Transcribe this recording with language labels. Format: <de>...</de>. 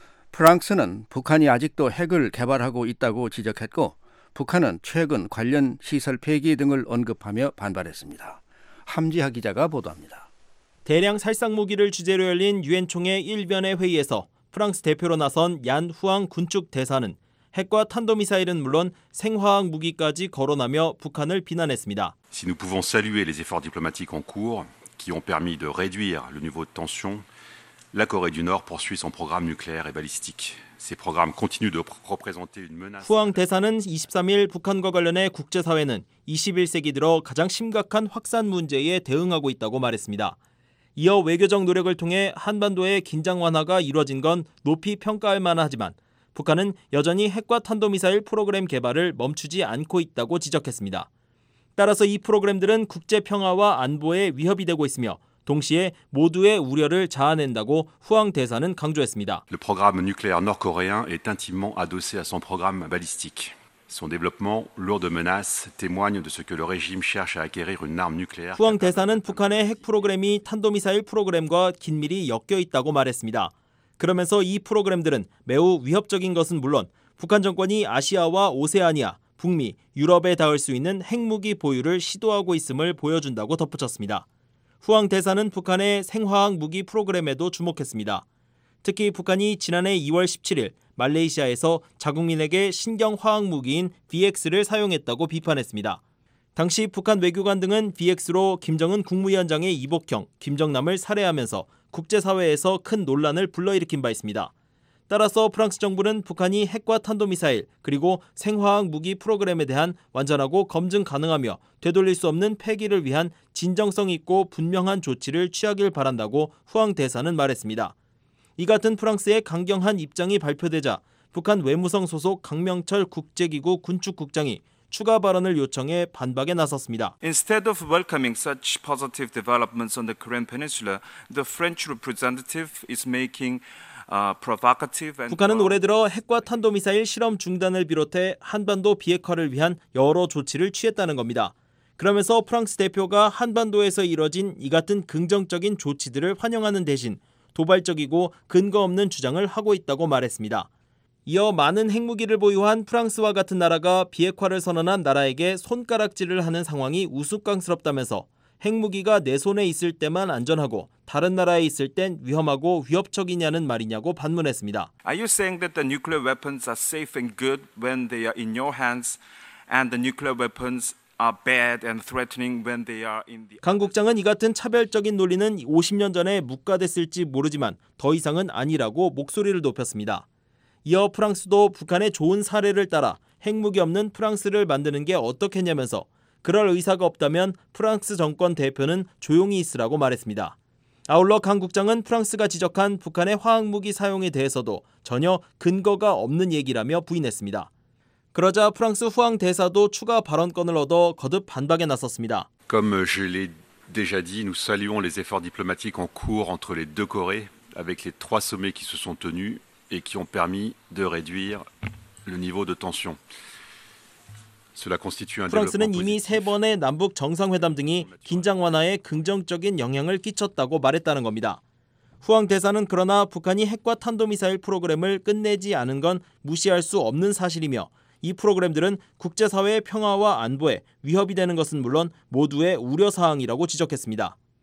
<ko>프랑스는 북한이 아직도 핵을 개발하고 있다고 지적했고 북한은 최근 관련 시설 폐기 등을 언급하며 반발했습니다. 함지하 기자가 보도합니다. 대량 살상 무기를 주제로 열린 유엔 총회 일변의 회의에서 프랑스 대표로 나선 얀 후앙 군축 대사는 핵과 탄도미사일은 물론 생화학 무기까지 거론하며 북한을 비난했습니다.</ko> <fr>Si nous pouvons saluer les efforts diplomatiques en cours qui ont permis de réduire le niveau de tension, la Corée du Nord poursuit son programme nucléaire et balistique. Ces programmes continuent de représenter une menace.</fr> <ko>후앙 대사는 23일 북한과 관련해 국제사회는 21세기 들어 가장 심각한 확산 문제에 대응하고 있다고 말했습니다. 이어 외교적 노력을 통해 한반도의 긴장 완화가 이루어진 건 높이 평가할 만하지만 북한은 여전히 핵과 탄도미사일 프로그램 개발을 멈추지 않고 있다고 지적했습니다. 따라서 이 프로그램들은 국제 평화와 안보에 위협이 되고 있으며 동시에 모두의 우려를 자아낸다고 후앙 대사는 강조했습니다.</ko> <fr>Le programme nucléaire nord-coréen est intimement adossé à son programme balistique. Son développement lourd de menaces témoigne de ce que le régime cherche à acquérir une arme nucléaire.</fr> <ko>후앙 대사는 북한의 핵 프로그램이 탄도미사일 프로그램과 긴밀히 엮여 있다고 말했습니다. 그러면서 이 프로그램들은 매우 위협적인 것은 물론 북한 정권이 아시아와 오세아니아, 북미, 유럽에 닿을 수 있는 핵무기 보유를 시도하고 있음을 보여준다고 덧붙였습니다. 후앙 대사는 북한의 생화학 무기 프로그램에도 주목했습니다. 특히 북한이 지난해 2월 17일 말레이시아에서 자국민에게 신경화학 무기인 VX를 사용했다고 비판했습니다. 당시 북한 외교관 등은 VX로 김정은 국무위원장의 이복형, 김정남을 살해하면서 국제사회에서 큰 논란을 불러일으킨 바 있습니다. 따라서 프랑스 정부는 북한이 핵과 탄도미사일 그리고 생화학 무기 프로그램에 대한 완전하고 검증 가능하며 되돌릴 수 없는 폐기를 위한 진정성 있고 분명한 조치를 취하길 바란다고 후앙 대사는 말했습니다. 이 같은 프랑스의 강경한 입장이 발표되자 북한 외무성 소속 강명철 국제기구 군축국장이 추가 발언을 요청해 반박에 나섰습니다.</ko> <en>Instead of welcoming such positive developments on the Korean Peninsula, the French representative is making provocative and</en> <ko>북한은 올해 들어 핵과 탄도미사일 실험 중단을 비롯해 한반도 비핵화를 위한 여러 조치를 취했다는 겁니다. 그러면서 프랑스 대표가 한반도에서 이뤄진 이 같은 긍정적인 조치들을 환영하는 대신 도발적이고 근거 없는 주장을 하고 있다고 말했습니다. 이어 많은 핵무기를 보유한 프랑스와 같은 나라가 비핵화를 선언한 나라에게 손가락질을 하는 상황이 우스꽝스럽다면서 핵무기가 내 손에 있을 때만 안전하고 다른 나라에 있을 땐 위험하고 위협적이냐는 말이냐고 반문했습니다.</ko> <en>Are you saying that the nuclear weapons are safe and good when they are in your hands and the nuclear weapons are bad and threatening when they are in the</en> <ko>강 국장은 이 같은 차별적인 논리는 50년 전에 묵과됐을지 모르지만 더 이상은 아니라고 목소리를 높였습니다. 이어 프랑스도 북한의 좋은 사례를 따라 핵무기 없는 프랑스를 만드는 게 어떻겠냐면서 그럴 의사가 없다면 프랑스 정권 대표는 조용히 있으라고 말했습니다. 아울러 강 국장은 프랑스가 지적한 북한의 화학무기 사용에 대해서도 전혀 근거가 없는 얘기라며 부인했습니다. 그러자 프랑스 후앙 대사도 추가 발언권을 얻어 거듭 반박에 나섰습니다.</ko> <fr>Comme je l'ai déjà dit, nous saluons les efforts diplomatiques en cours entre les deux Corées avec les trois sommets qui se sont tenus et qui ont permis de réduire le niveau de tension.</fr> <ko>프랑스는 이미 세 번의 남북 정상회담 등이 긴장 완화에 긍정적인 영향을 끼쳤다고 말했다는 겁니다. 후앙 대사는 그러나 북한이 핵과 탄도미사일 프로그램을 끝내지 않은 건 무시할 수 없는 사실이며 이 프로그램들은 국제사회의 평화와 안보에 위협이 되는 것은 물론 모두의 우려사항이라고 지적했습니다.</ko>